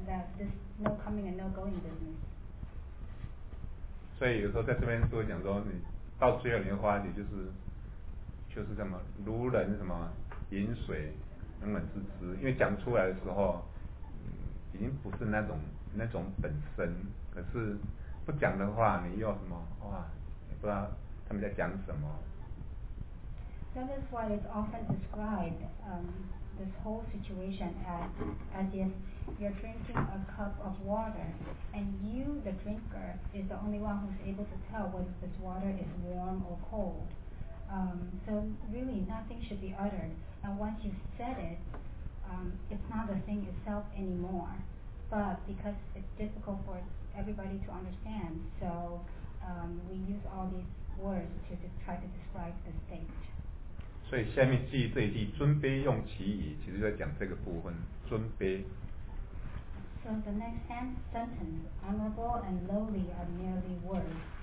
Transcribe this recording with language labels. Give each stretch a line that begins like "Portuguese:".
English: That this no coming and no going business.
Chinese: 所以有时候在这边都会讲说，你到最后你会发觉就是什么如人什么饮水，冷冷自知。因为讲出来的时候，已经不是那种本身，可是。不讲的话，你又什么？哇，也不知道他们在讲什么。
English: That is why it's often described this whole situation as if you're drinking a cup of water, and you, the drinker, is the only one who's able to tell whether this water is warm or cold. So really, nothing should be uttered, and once you've said it, it's not the thing itself anymore. But because it's difficult for everybody to understand, so we use all these words to try to describe the state.
Chinese: 所以下面记忆这一句尊卑用其语，其实在讲这个部分尊卑。
English: So the next sentence, honorable and lowly are merely words.